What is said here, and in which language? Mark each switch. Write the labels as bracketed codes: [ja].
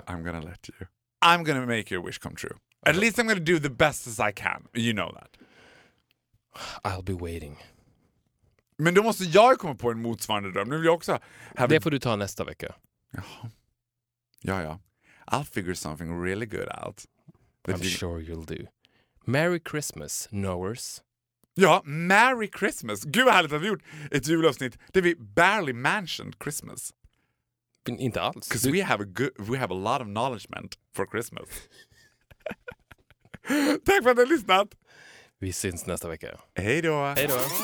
[en] I'm gonna make your wish come true. At least I'm gonna do the best as I can. You know that. I'll be waiting. [sv] Men då måste jag komma på en motsvarande dröm. Nu vill jag också have det får du ta nästa vecka. Ja. [en] I'll figure something really good out. I'm sure you'll do. Merry Christmas, knowers. Ja, Merry Christmas. [sv] Gud vad härligt att vi gjort ett julavsnitt där vi [en] barely mentioned Christmas. [sv] Inte alls. [en] Because we have a lot of knowledge for Christmas. [sv] Tack för att ni har lyssnat. Vi syns nästa vecka. Hej då. Hej då.